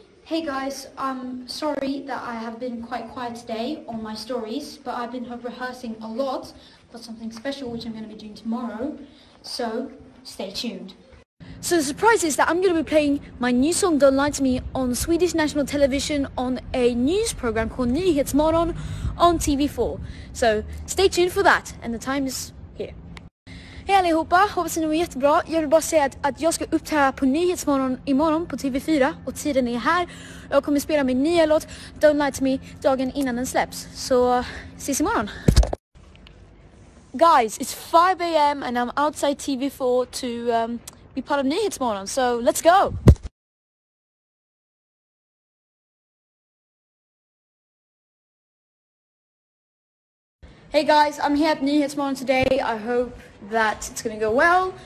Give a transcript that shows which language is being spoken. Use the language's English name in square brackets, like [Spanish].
[English] Hey guys, I'm sorry that I have been quite quiet today on my stories, but I've been rehearsing a lot for something special which I'm going to be doing tomorrow, so stay tuned. So the surprise is that I'm going to be playing my new song Don't Lie to Me on Swedish national television on a news program called Nyhetsmorgon on TV4. So stay tuned for that, and the time is here. [Swedish] Hej allihopa, hoppas ni mår jättebra. Jag vill bara säga att jag ska uppträda på Nyhetsmorgon imorgon på TV4 och tiden är här. Jag kommer spela min nya låt Don't Lie to Me dagen innan den släpps. Så ses imorgon. [English] Guys, it's 5 a.m. and I'm outside TV4 to be part of Nyhetsmorgon. So let's go! Hey guys, I'm here at Nyhetsmorgon today. I hope that it's going to go well.